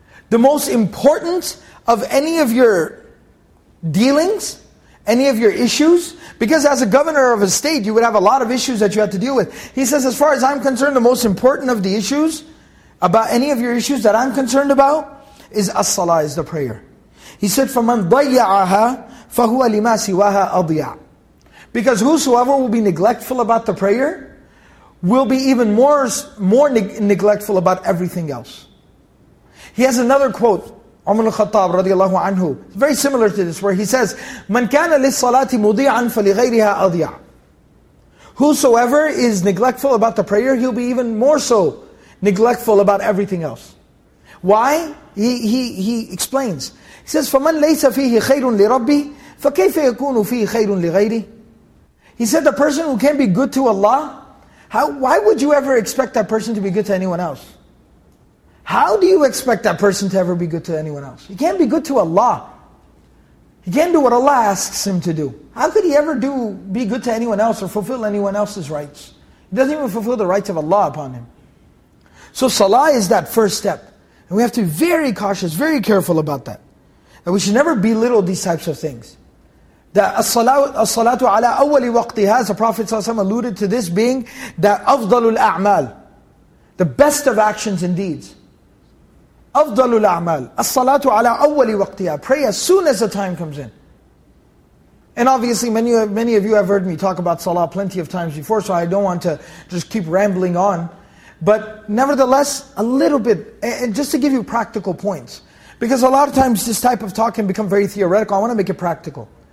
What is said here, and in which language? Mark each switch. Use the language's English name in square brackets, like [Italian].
[English] The most important of any of your dealings, any of your issues, because as a governor of a state, you would have a lot of issues that you have to deal with. He says, as far as I'm concerned, the most important of the issues, about any of your issues that I'm concerned about, is as-salah, is the prayer. He said, [Arabic] فَمَنْ ضَيَّعَهَا فَهُوَ لِمَا سِوَاهَا أَضْيَعَ. [English] Because whosoever will be neglectful about the prayer, will be even more neglectful about everything else. He has another quote, Umar al-Khattab radiallahu anhu, very similar to this, where he says, [Arabic] مَنْ كَانَ لِلصَّلَاةِ مُضِيعًا فَلِغَيْرِهَا أَضْيَعَ. [English] Whosoever is neglectful about the prayer, he'll be even more so neglectful about everything else. Why? He explains. He says, [Arabic] فَمَنْ لَيْسَ فِيهِ خَيْرٌ لِرَبِّي فَكَيْفَ يَكُونُ فِيهِ خَيْرٌ لِغَيْرِي. [English] He said, the person who can't be good to Allah, why would you ever expect that person to be good to anyone else? How do you expect that person to ever be good to anyone else? He can't be good to Allah. He can't do what Allah asks him to do. How could he ever be good to anyone else or fulfill anyone else's rights? He doesn't even fulfill the rights of Allah upon him. So salah is that first step. And we have to be very cautious, very careful about that. That we should never belittle these types of things. That [Arabic] as-salatu ala awwali waqtiha, [English] as the Prophet ﷺ alluded to this being, that [Arabic] afdalul a'mal, [English] the best of actions and deeds. [Arabic] أفضل الأعمال الصلاة على أول وقتها. [English] Pray as soon as the time comes in. And obviously many of you have heard me talk about salah plenty of times before, so I don't want to just keep rambling on. But nevertheless, a little bit, and just to give you practical points. Because a lot of times this type of talk can become very theoretical. I want to make it practical.